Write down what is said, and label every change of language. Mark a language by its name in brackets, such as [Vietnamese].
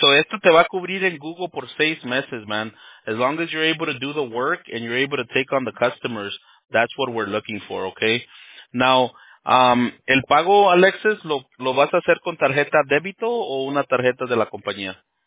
[Spanish] So esto te va a cubrir en Google por 6 meses, man. [English] As long as you're able to do the work and you're able to take on the customers, that's what we're looking for, okay? Now, [Spanish] el pago, Alexis, lo vas a hacer con tarjeta débito o una tarjeta de la compañía?